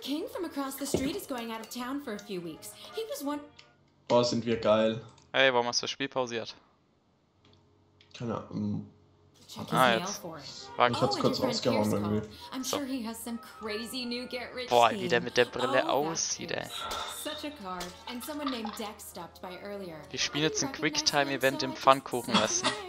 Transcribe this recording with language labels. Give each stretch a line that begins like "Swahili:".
English: King from across the street is going out of town for a few weeks. He was one.
German: Boah, sind wir geil. Hey, warum hast du das Spiel pausiert? Keine Ahnung. Ah, jetzt. Warte, ich hab's kurz rausgehauen irgendwie.
English: I'm sure he has some crazy new get rich.
German: Boah, wie der mit der Brille aussieht, ey.
English: Such a card. And someone named Deck stopped by earlier.
German: Wir spielen jetzt ein Quicktime-Event im Pfannkuchen essen.